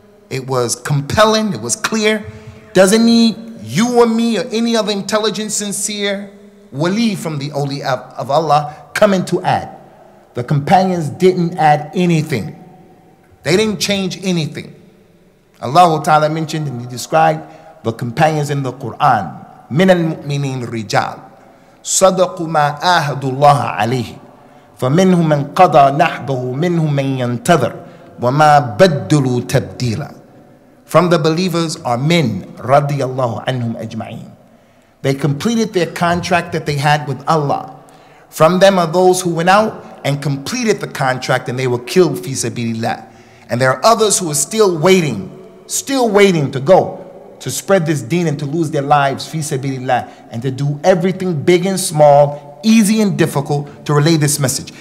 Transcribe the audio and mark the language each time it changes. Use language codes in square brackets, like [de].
[en] It was compelling. It was clear. Doesn't need you or me or any other intelligent, sincere wali from the holy of Allah coming to add. The companions didn't add anything. They didn't change anything. Allah Ta'ala mentioned and he described the companions in the Quran. [ar] من المؤمنين رجال صدقوا ما آهدوا الله عليه فمنهم من قضى نحبه منهم من ينتظر وما بدلوا تبديلا. [en] From the believers are men, [ar] رضي الله عنهم أجمعين. [en] They completed their contract that they had with Allah. From them are those who went out and completed the contract and they were killed [ar] في سبيل الله. [en] And there are others who are still waiting to go, to spread this deen and to lose their lives, fi sabilillah, and to do everything big and small, easy and difficult, to relay this message.